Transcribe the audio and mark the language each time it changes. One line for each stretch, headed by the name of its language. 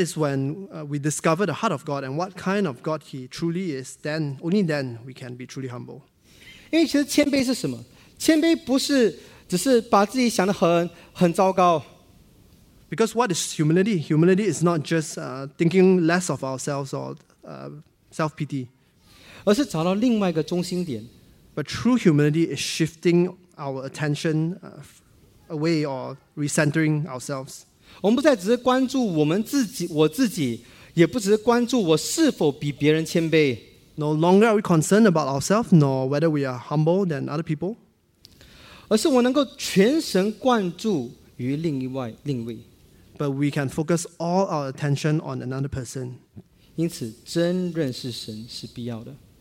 English: is when we discover the heart of God and what kind of God He truly is. Then, only then, we can be truly humble.
Chinese: 因为其实谦卑是什么？谦卑不是只是把自己想得很糟糕。
English: Because what is humility? Humility is not just thinking less of ourselves or self-pity.
Chinese: 而是找到另外一个中心点。
English: But true humility is shifting our attention away or recentering ourselves.
Chinese: 我们不再只是关注我们自己，也不只是关注我是否比别人谦卑。
English: No longer are we concerned about ourselves, nor whether we are humble than other people.
Chinese: 而是我能够全神贯注于另一位。
English: But we can focus all our attention on another person.
Chinese: 因此真认识神是必要的。